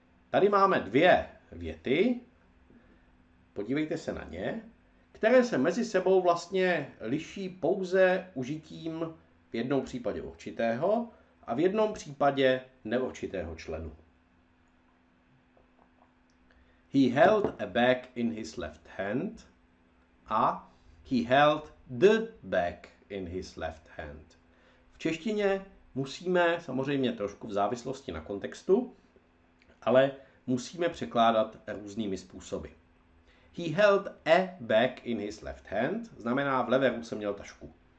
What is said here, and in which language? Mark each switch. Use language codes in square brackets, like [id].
[cs] Tady máme dvě věty, podívejte se na ně, které se mezi sebou vlastně liší pouze užitím v jednom případě určitého a v jednom případě neurčitého členu. [en] He held a bag in his left hand a he held the bag in his left hand. [cs] V češtině musíme samozřejmě trošku v závislosti na kontextu, ale musíme překládat různými způsoby. [en] He held a bag in his left hand, [cs] znamená v levé ruce měl tašku.